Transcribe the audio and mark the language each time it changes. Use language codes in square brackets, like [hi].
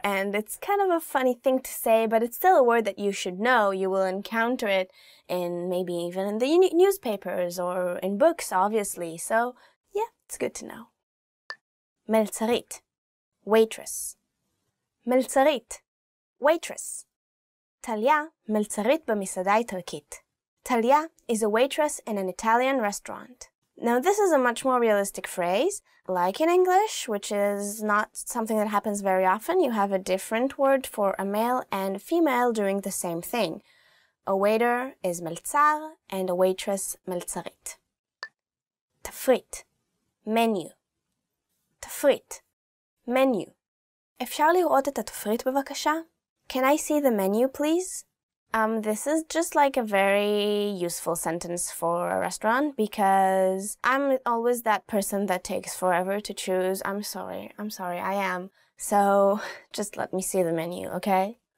[en] And it's kind of a funny thing to say, but it's still a word that you should know. You will encounter it in maybe even in the newspapers or in books, obviously. So yeah, it's good to know. [he] מלצרית, waitress. מלצרית. Waitress. טליה, מלצרית במסעדה איטלקית. [en] טליה is a waitress in an Italian restaurant. Now this is a much more realistic phrase, like in English, which is not something that happens very often. You have a different word for a male and a female doing the same thing. A waiter is מלצר and a waitress מלצרית. [he] תפריט, menu. תפריט, menu. אפשר לראות את התפריט בבקשה? [en] Can I see the menu, please? This is just like a very useful sentence for a restaurant because I'm always that person that takes forever to choose. I'm sorry, I am. So just let me see the menu, okay?